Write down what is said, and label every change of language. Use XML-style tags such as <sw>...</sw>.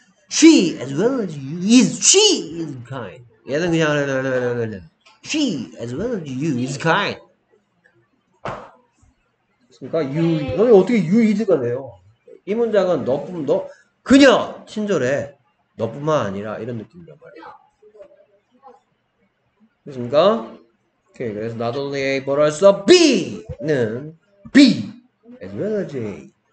<en>She as well as you is she is kind.</en> <ko>얘는 그냥</ko> <en>She as well as you is kind.</en> <ko>그러니까 you 너는 어떻게 you is가 돼요? 이 문장은 너뿐 그녀 친절해. 너뿐만 아니라 이런 느낌이란 말이야. 됐습니까? 오케이. 그래서 not only A, but also B는 B as well as A.</ko>